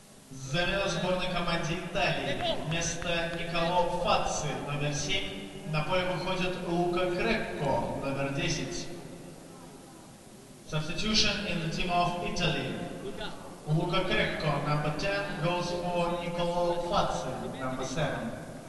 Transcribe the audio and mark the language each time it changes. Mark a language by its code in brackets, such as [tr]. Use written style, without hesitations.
[ru] Заряд сборной команде Италии. Вместо Николо Фацци, номер 7, на поле выходит Лука Крекко, номер 10. [en] Substitution in the team of Italy. Лука Крекко, number 10, goes for Николо Фацци, number 7.